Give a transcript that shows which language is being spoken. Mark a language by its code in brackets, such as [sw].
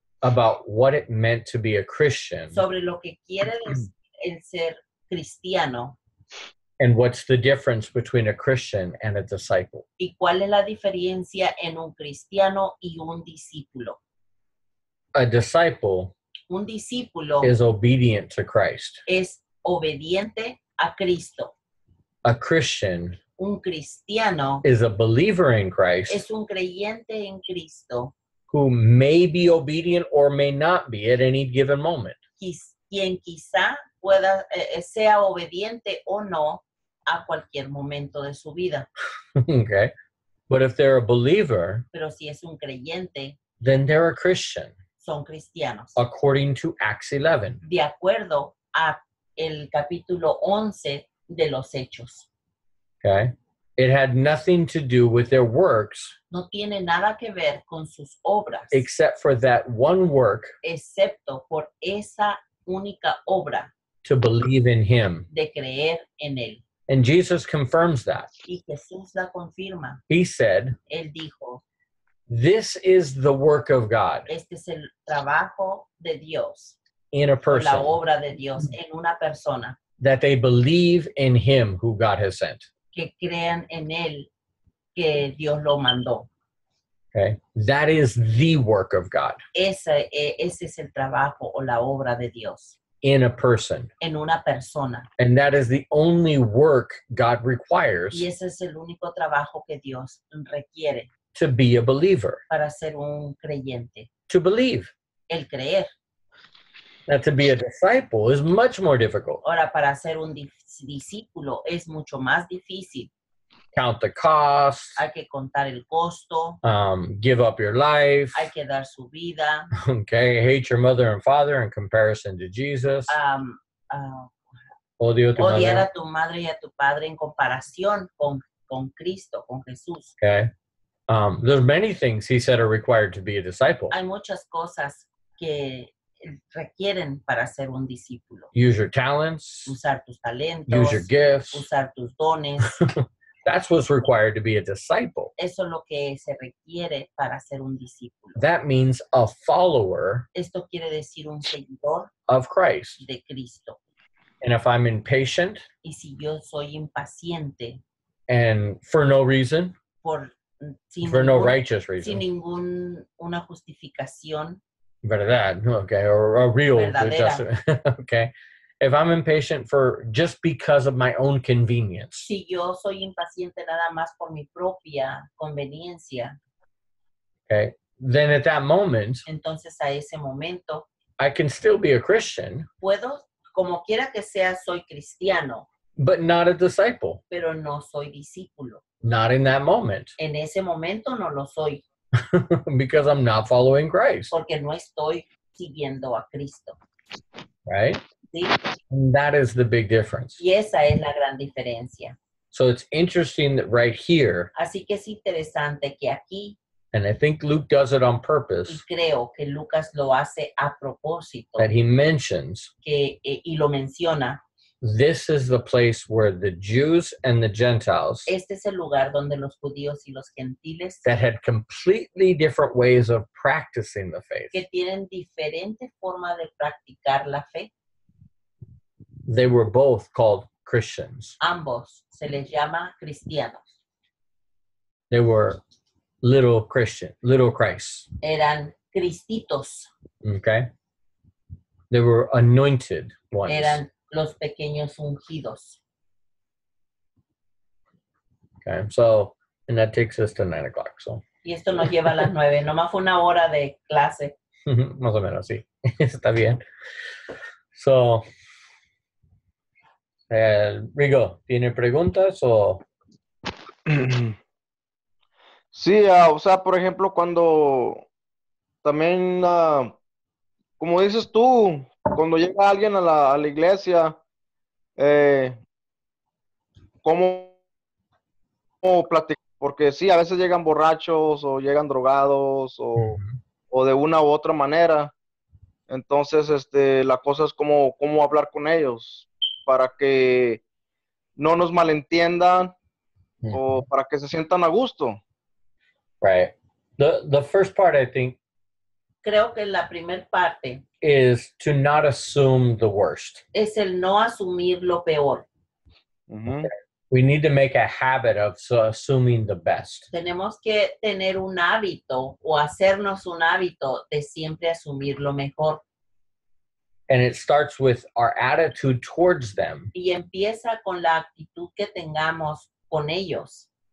[en] about what it meant to be a Christian, [es] sobre lo que quiere decir el ser cristiano, [en] and what's the difference between a Christian and a disciple, [es] y cuál es la diferencia en un cristiano y un discípulo. [en] A disciple, [es] un discípulo, [en] is obedient to Christ, [es] es obediente a Cristo. [en] A Christian, [es] un cristiano, [en] is a believer in Christ, [es] es un creyente en Cristo, [en] who may be obedient or may not be at any given moment. [es] Quien quizá pueda sea obediente o no a cualquier momento de su vida. [en] Okay. But if they're a believer, [es] pero si es un creyente, [en] then they're a Christian. [es] Son cristianos. [en] According to Acts 11. [es] De acuerdo a el capítulo 11 de los Hechos. [en] Okay. It had nothing to do with their works. [es] No tiene nada que ver con sus obras. [en] Except for that one work. [es] Excepto por esa única obra. [en] To believe in him. [es] De creer en él. [en] And Jesus confirms that. [es] Y Jesús la confirma. [en] He said. [es] Él dijo. [en] This is the work of God. [es] Este es el trabajo de Dios. [en] In a person. [es] La obra de Dios en una persona. [en] That they believe in him who God has sent. [es] Que crean en él que Dios lo mandó. [en] Okay. That is the work of God. [es] Ese es el trabajo o la obra de Dios. [en] In a person. [es] En una persona. [en] And that is the only work God requires. [es] Y ese es el único trabajo que Dios requiere. [en] To be a believer. [es] Para ser un creyente. [en] To believe. [es] El creer. [en] Now, to be a disciple is much more difficult. [es] Ahora, para ser un discípulo es mucho más difícil. [en] Count the cost. [es] Hay que contar el costo. [en] Give up your life. [es] Hay que dar su vida. [en] Okay, hate your mother and father in comparison to Jesus. [es] Odiar a tu madre y a tu padre en comparación con Cristo, con Jesús. [en] Okay. There's many things he said are required to be a disciple. [es] Hay muchas cosas que requieren para ser un discípulo. [en] Use your talents. [es] Usar tus talentos. [en] Use your gifts. [es] Usar tus dones. [en] That's what's required to be a disciple. [es] Eso es lo que se requiere para ser un discípulo. [en] That means a follower. [es] Esto quiere decir un seguidor. [en] Of Christ. [es] De Cristo. [en] And if I'm impatient. [es] Y si yo soy impaciente. [en] And for no reason. [es] Por, sin [en] for [es] ningún, [en] no righteous reason. [es] Sin ningún una justificación. [en] Verdad, okay, or a real justice. Okay. If I'm impatient for just because of my own convenience. [es] Si yo soy impaciente nada más por mi propia conveniencia. [en] Okay. Then at that moment. [es] Entonces a ese momento. [en] I can still be a Christian. [es] Puedo, como quiera que sea, soy cristiano. [en] But not a disciple. [es] Pero no soy discípulo. [en] Not in that moment. [es] En ese momento no lo soy. [en] Because I'm not following Christ. [es] Porque no estoy siguiendo a Cristo. [en] Right? [es] Sí. [en] And that is the big difference. [es] Y esa es la gran diferencia. [en] So it's interesting that right here. [es] Así que es interesante que aquí. [en] And I think Luke does it on purpose. [es] Y creo que Lucas lo hace a propósito. [en] That he mentions. [es] Que, y lo menciona. [en] This is the place where the Jews and the Gentiles, [es] este es el lugar donde los judíos y los gentiles, [en] that had completely different ways of practicing the faith, [es] que tienen diferente forma de practicar la fe, [en] they were both called Christians. [es] Ambos se les llama cristianos. [en] They were little Christian, little Christ. [es] Eran cristitos. [en] Okay. They were anointed ones. [es] Eran los pequeños ungidos. [en] Okay, so, and that takes us to 9 o'clock, so. [es] Y esto nos lleva a las 9, nomás fue una hora de clase. Más o menos, sí. Está bien. So, Rigo, ¿tiene preguntas o? Sí, o sea, por ejemplo, cuando también, como dices tú, cuando llega alguien a la iglesia, ¿cómo platicar? Porque sí, a veces llegan borrachos o llegan drogados o de una u otra manera. Entonces, la cosa es cómo hablar con ellos para que no nos malentiendan o para que se sientan a gusto. [en] Right. The first part, I think. [es] Creo que la primer parte [en] is to not assume the worst. [es] Es el no asumir lo peor. Mm-hmm. [en] We need to make a habit of assuming the best. [es] Tenemos que tener un hábito o hacernos un hábito de siempre asumir lo mejor. [en] And it starts with our attitude towards them. [es] Y empieza con la actitud que tengamos con ellos.